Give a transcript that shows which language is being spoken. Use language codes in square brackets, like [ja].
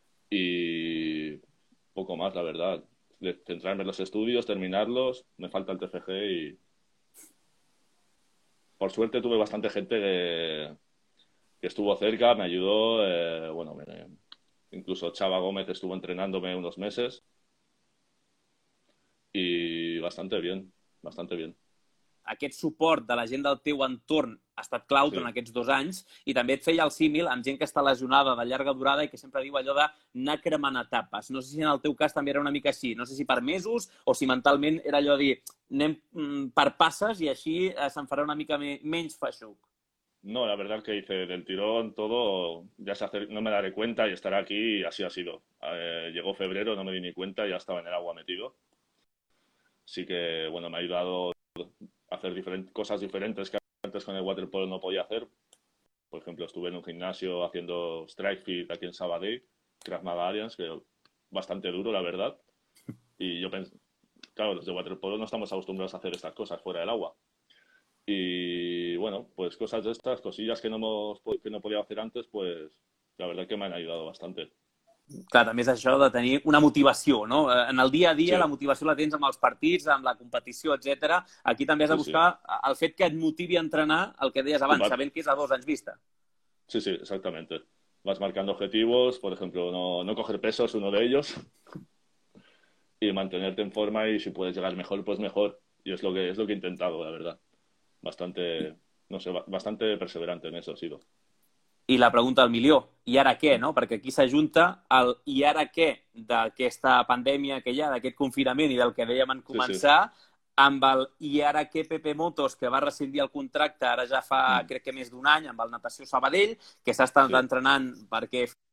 [es] Y poco más, la verdad. De centrarme en los estudios, terminarlos, me falta el TFG y... Por suerte tuve bastante gente que estuvo cerca, me ayudó, bueno, me... Incluso Chava Gómez estuvo entrenándome 1 mes y bastante bien, [ca] Aquest suport de la gent del teu entorn ha estat clau durant aquests 2 anys i també et feia el símil amb gent que està lesionada de llarga durada i que sempre diu allò de anar cremant etapes. No sé si en el teu cas també era una mica així, no sé si per mesos o si mentalment era allò de dir anem per passes i així se'n farà una mica menys feixuc. [es] No, la verdad que hice del tirón todo, ya se hace, no me daré cuenta y estaré aquí y así ha sido. Llegó febrero, no me di ni cuenta, ya estaba en el agua metido. Así que, bueno, me ha ayudado a hacer cosas diferentes que antes con el waterpolo no podía hacer. Por ejemplo, estuve en un gimnasio haciendo strike fit aquí en Sabadell, Krav Maga Alliance, que bastante duro, la verdad. Y yo pensé, claro, los de waterpolo no estamos acostumbrados a hacer estas cosas fuera del agua. Y bueno, pues cosas de estas, cosillas que no podía hacer antes, pues la verdad es que me han ayudado bastante. [ca] Clar, també és això de tenir una motivació, no? En el dia a dia la motivació la tens amb els partits, amb la competició, etc. Aquí també has de buscar el fet que et motivi a entrenar el que deies abans, sabent que és a 2 anys vista. [es] Sí, sí, exactamente. Vas marcando objetivos, por ejemplo, no coger peso es uno de ellos. Y mantenerte en forma y si puedes llegar mejor, pues mejor. Y es lo que he intentado, la verdad. Bastante, no sé, bastante perseverante en eso ha sido. [ca] I la pregunta del milió, i ara què, no? Perquè aquí s'ajunta el i ara què d'aquesta pandèmia que hi ha, d'aquest confinament i del que dèiem en començar, amb el i ara què Pepe Motos, que va rescindir el contracte ara ja fa, crec que més d'un any, amb el Natació Sabadell, que s'ha estat entrenant perquè